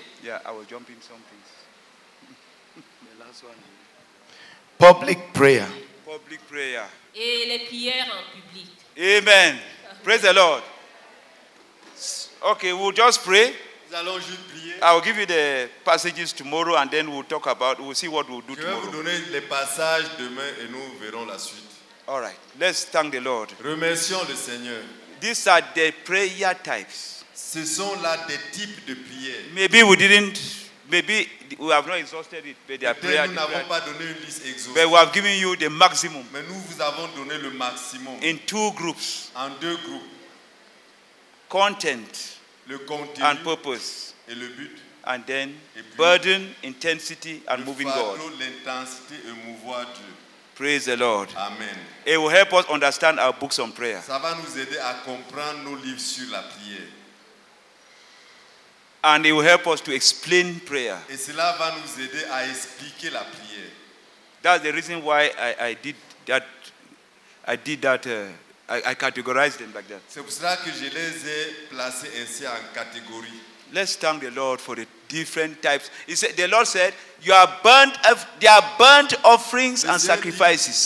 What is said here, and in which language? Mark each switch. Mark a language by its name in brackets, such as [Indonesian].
[English] Yeah, I was jumping something. Public prayer. Public prayer. [French] Et les prières en public. [English] Amen. Praise the Lord. Okay, we'll just pray. [French] Nous allons juste prier. [English] I will give you the passages tomorrow and then we'll talk about, we'll see what we'll do tomorrow. [French] Je vais vous donner les passages demain et nous verrons la suite. [English] All right. Let's thank the Lord. [French] Remercions le Seigneur. [English] These are the prayer types. [French] Ce sont là des types de prières. [English] Maybe we have not exhausted it, but their prayer. But we have given you the maximum. [French] Mais nous vous avons donné le maximum. [English] In two groups. [French] En deux groupes. [English] Content. [French] Le contenu [English] and purpose. [French] Et le but. [English] And then burden, intensity, and moving God. [French] L'intensité et mouvoir Dieu. [English] Praise the Lord. Amen. It will help us understand our books on prayer. [French] Ça va nous aider à comprendre nos livres sur la prière. [English] And it will help us to explain prayer. [French] Et cela va nous aider à expliquer la prière. [English] That's the reason why I categorized them like that. [French] C'est pour cela que je les ai placés ainsi en catégorie. [English] Let's thank the Lord for the different types. He said, the Lord said, "You are burnt; they are burnt offerings and sacrifices."